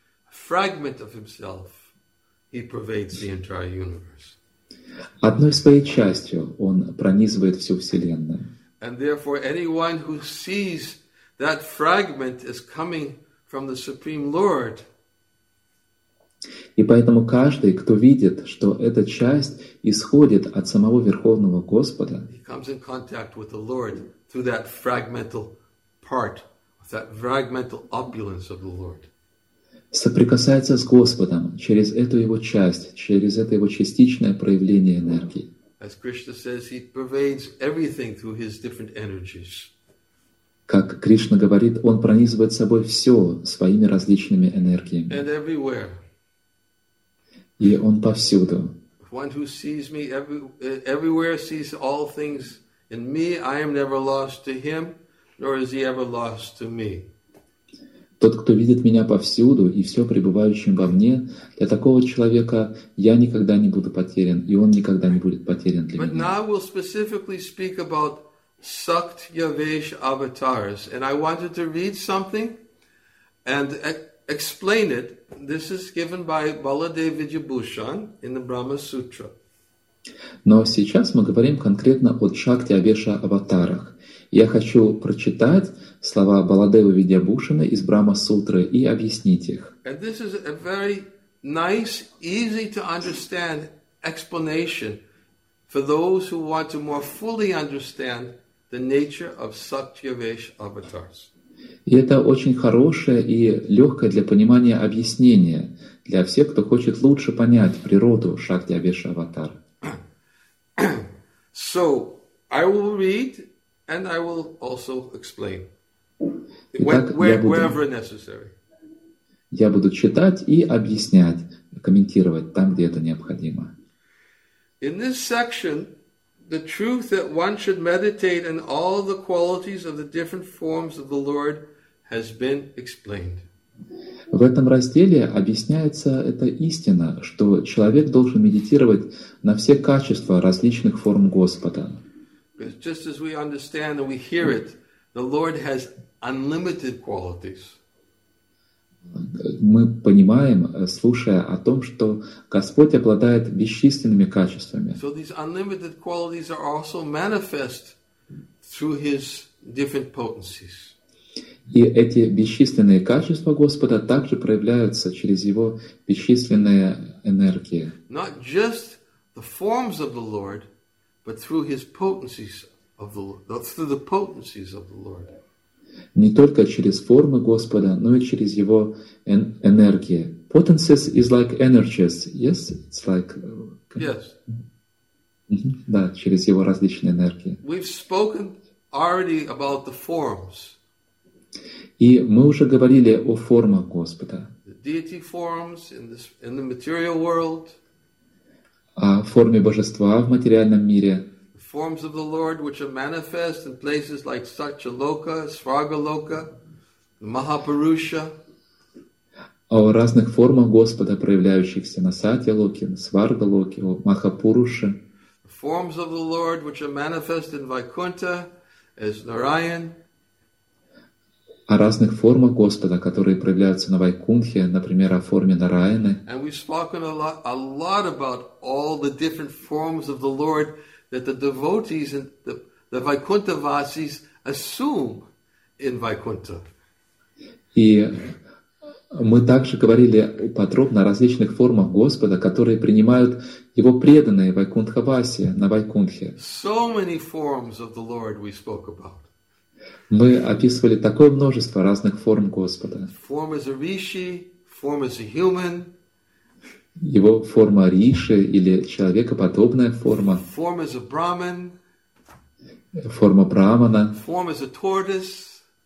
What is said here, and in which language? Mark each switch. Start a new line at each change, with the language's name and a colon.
English: Fragment of himself, he pervades the entire universe.
Russian: Одной своей частью он пронизывает всю Вселенную.
English: And therefore, anyone who sees that fragment is coming from the Supreme Lord.
Russian: И поэтому каждый, кто видит, что эта часть исходит от самого Верховного Господа,
English: he comes in contact with the Lord through that fragmental part, that fragmental opulence of the Lord.
Russian: Соприкасается с Господом через эту его часть, через это его частичное проявление энергии.
English: As Krishna says, he pervades everything through his different energies.
Russian: Как Кришна говорит, он пронизывает собой все своими различными энергиями.
English: And everywhere.
Russian: И он повсюду.
English: One who sees me everywhere sees all things in me. I am never lost to him, nor is he ever lost to me.
Russian: Тот, кто видит меня повсюду и все пребывающим во мне, для такого человека я никогда не буду потерян, и он никогда не будет потерян для меня.
English: But now we'll specifically speak about Saktyavesh avatars. And I wanted to read something and explain it. This is given by Baladev Vidyabhushan in the Brahma Sutra.
Russian: Но сейчас мы говорим конкретно о Шактиавеша аватарах. Я хочу прочитать слова Баладева Видьябушина из Брахма-сутры и объяснить их.
English: And this is a very nice, easy to understand explanation for those who want to more fully understand the nature of Saktyavesh avatars.
Russian: И это очень хорошее и легкое для понимания объяснение для всех, кто хочет лучше понять природу Шактиавеша аватар.
English: So, I will read and I will also explain.
Russian: Итак,
English: wherever necessary.
Russian: Я буду читать и объяснять, комментировать там, где это необходимо.
English: In this section, the truth that one should meditate on all the qualities of the different forms of the Lord has been explained.
Russian: В этом разделе объясняется эта истина, что человек должен медитировать на все качества различных форм Господа.
English: Just as we understand and we hear it, the Lord has unlimited qualities.
Russian: Мы понимаем, слушая о том, что Господь обладает бесчисленными качествами.
English: So these unlimited qualities are also manifest through his different potencies.
Russian: И эти бесчисленные качества Господа также проявляются через его бесчисленные энергии.
English: Not just the forms of the Lord, but through his potencies of the Lord, through the potencies of the Lord.
Russian: Не только через формы Господа, но и через его энергии.
English: Potencies is like energies, yes? It's like... Yes.
Russian: Да, через его различные энергии.
English: We've spoken already about the forms.
Russian: И мы уже говорили о формах Господа.
English: The deity forms in the material world.
Russian: О форме Божества в материальном мире.
English: The forms of the Lord which are manifest in places like Satchaloka, Svargaloka, Mahapurusha.
Russian: О разных формах Господа, проявляющихся на Сатья-локе, Сварга-локе, Махапуруше.
English: Forms of the Lord which are manifest in Vaikuntha as Narayan.
Russian: О разных формах Господа, которые проявляются на Вайкунхе, например, о форме Нараяны.
English: And we've spoken a lot about all the different forms of the Lord that the devotees and the Vaikunthavasis assume in Vaikuntha.
Russian: И мы также говорили подробно о различных формах Господа, которые принимают Его преданные Вайкунтхаваси на Вайкунтхе.
English: So many forms of the Lord we spoke about.
Russian: Мы описывали такое множество разных форм Господа.
English: Form as a Rishi, form as a human.
Russian: Его форма Риши или человекоподобная форма.
English: Form as a Brahman.
Russian: Форма Брахмана.
English: Form as a tortoise.